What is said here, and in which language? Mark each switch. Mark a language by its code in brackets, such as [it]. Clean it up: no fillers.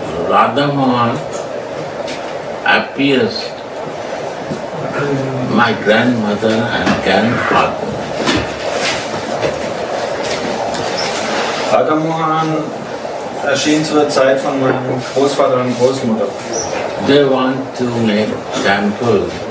[en] Radha Mohan appears my grandmother and grandfather. [de] Radha Mohan erschien zu der Zeit von meinem Großvater und Großmutter. [en] They want to make temple.